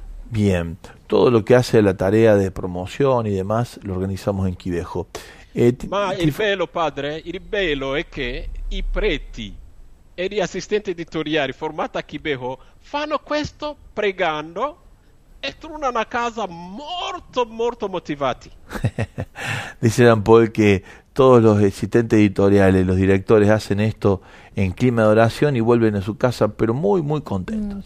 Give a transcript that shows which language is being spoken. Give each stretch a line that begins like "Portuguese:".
Spanish: Bien, todo lo que hace la tarea de promoción y demás lo organizamos en Quivejo.
Italian: Ma il bello, padre, il bello è che i preti e gli assistenti editoriali formati a Quivejo fanno questo pregando e tornano a casa molto molto motivati.
Spanish: Dice San Paul che todos los asistentes editoriales, los directores hacen esto en clima de oración y vuelven a su casa, pero muy, muy contentos.